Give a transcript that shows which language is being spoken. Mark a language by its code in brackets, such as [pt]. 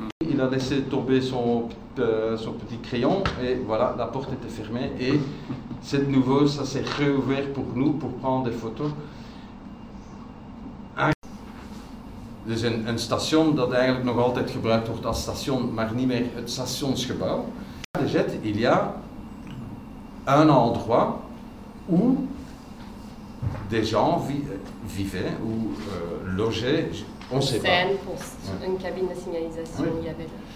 [fr] Il a laissé tomber son petit crayon et voilà, la porte était fermée. Et c'est de nouveau, ça s'est réouvert pour nous, pour prendre des photos. [nl] Dus een station dat eigenlijk nog altijd gebruikt wordt als station, maar niet meer het stationsgebouw. [fr] De jet, il y a un endroit où des gens vivaient ou logeaient, on ne sait pas. Une cabine de signalisation, il y avait.